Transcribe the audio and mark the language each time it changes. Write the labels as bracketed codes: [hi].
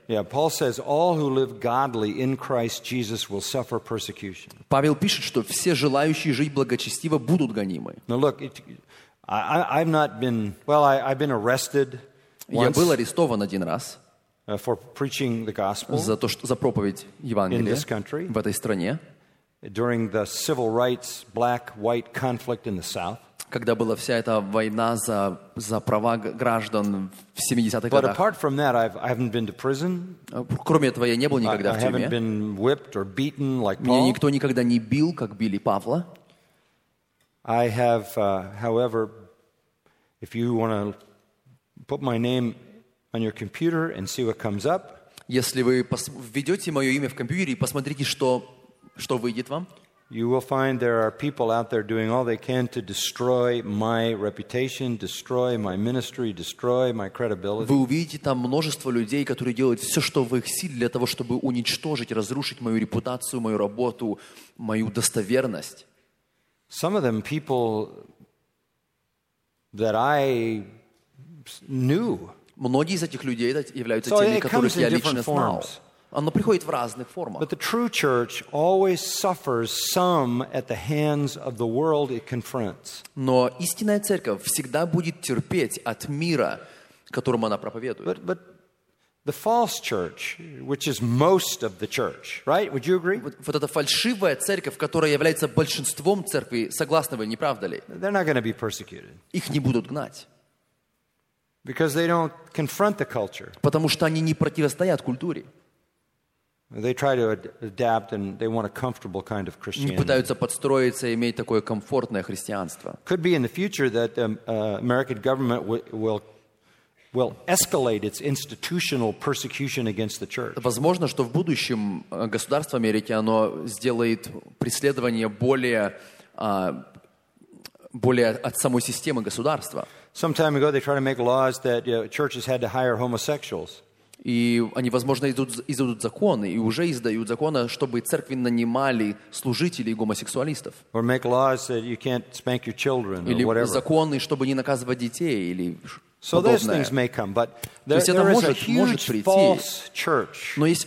[en] Yeah, Paul says all who live godly in Christ Jesus will suffer persecution. [ru] Павел пишет, что все желающие жить благочестиво будут гонимы. [en] Now look, I've been arrested. [ru] Я был арестован один раз. [en] For preaching the gospel. [ru] За проповедь Евангелия. [en] In this country. [ru] В этой стране. [en] During the civil rights black-white conflict in the South. [ru] Когда была вся эта война за права граждан в 70-х годах. [en] But apart from that, I haven't been to prison. [ru] Кроме этого, я не был никогда в тюрьме. [en] I haven't been whipped or beaten like [ru] Paul. Меня никто никогда не бил, как били Павла. [en] I have, however, if you want to put my name on your computer and see what comes up. [ru] Если вы введете мое имя в компьютере и посмотрите, что выйдет вам? [en] You will find there are people out there doing all they can to destroy my reputation, destroy my ministry, destroy my credibility. [ru] Вы увидите там множество людей, которые делают все, что в их силах для того, чтобы уничтожить, разрушить мою репутацию, мою работу, мою достоверность. [en] Some of them people that I knew. [ru] Многие из этих людей являются теми, которых я лично знал. Оно приходит в разных формах. [en] But the true church always suffers some at the hands of the world it confronts. [ru] Но истинная церковь всегда будет терпеть от мира, которому она проповедует. [en] But the false church, which is most of the church, right? Would you agree? [ru] Вот эта фальшивая церковь, которая является большинством церкви, согласны вы, не правда ли? [en] They're not going to be persecuted. [ru] Их не будут гнать. [en] Because they don't confront the culture. [ru] Потому что они не противостоят культуре. [en] They try to adapt and they want a comfortable kind of Christianity. [ru] Они пытаются подстроиться и иметь такое комфортное христианство. [en] Could be in the future that American government will will escalate its institutional persecution against the church. [ru] Возможно, что в будущем государство Америки оно сделает преследование более от самой системы государства. [en] Some time ago, they tried to make laws that churches had to hire homosexuals. [ru] И они, возможно, издают законы и уже издают законы, чтобы церкви нанимали служителей гомосексуалистов. [en] Or make laws that you can't spank your children [ru] или [en] or whatever. [ru] Или законы, чтобы не наказывать детей или [en] So those things may come, but there is a huge false church.